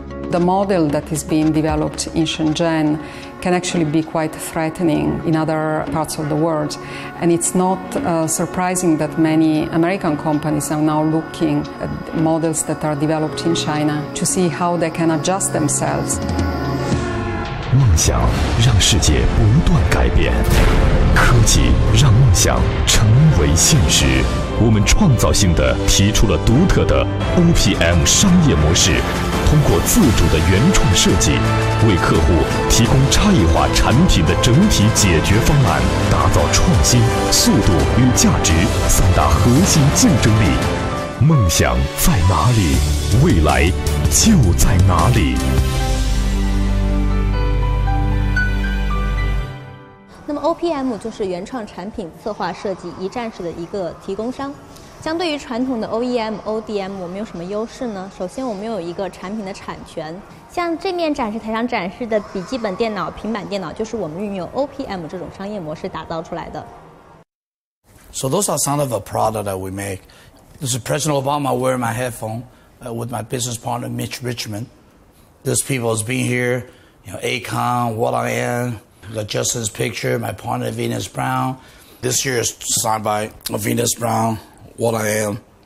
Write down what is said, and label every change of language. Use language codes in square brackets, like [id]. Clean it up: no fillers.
[en] The model that is being developed in Shenzhen can actually be quite threatening in other parts of the world. And it's not surprising that many American companies are now looking at models that are developed in China to see how they can adjust themselves. [zh] 梦想让世界不断改变，科技让梦想成为现实。我们创造性地提出了独特的 OPM 商业模式，通过自主的原创设计，为客户提供差异化产品的整体解决方案，打造创新、速度与价值三大核心竞争力。梦想在哪里？未来就在哪里。那么 OPM 就是原创产品策划设计一站式的一个提供商，相对于传统的 OEM、ODM， 我们有什么优势呢？首先，我们有一个产品的产权，像这面展示台上展示的笔记本电脑、平板电脑，就是我们运用 OPM 这种商业模式打造出来的。 [en] So those are some of the product that we make. This is President Obama wearing my headphone with my business partner Mitch Richmond. These people has been here, you know, Acon, what I am. Got Justin's picture, my partner Venus Brown. This year is signed by Venus Brown, What I Am.